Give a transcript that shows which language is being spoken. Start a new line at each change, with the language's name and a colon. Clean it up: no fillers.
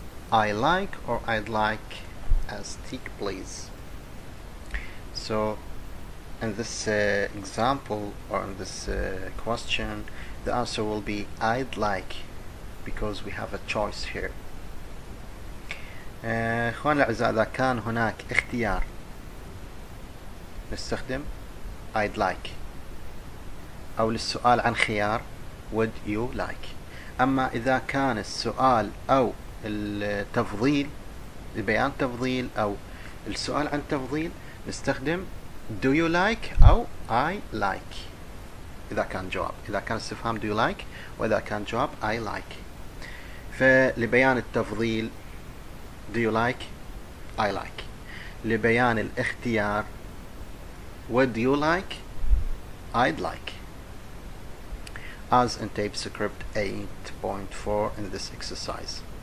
English: I like or I'd like a steak, please. So in this example or in this question, the answer will be I'd like, because we have a choice here.
Arabic: إخوان الأعزاء, إذا كان هناك اختيار نستخدم I'd like, أو للسؤال عن خيار
English: would you like.
Arabic: أما إذا كان السؤال أو التفضيل, البيان تفضيل أو السؤال عن تفضيل, نستخدم
English: do you like
Arabic: أو
English: I like
Arabic: إذا كان جواب. إذا كان استفهام
English: do you like,
Arabic: وإذا كان جواب
English: I like.
Arabic: فلبيان التفضيل
English: do you like, I like.
Arabic: لبيان الاختيار
English: would you like, I'd like, as in tape script 8.4 in this exercise.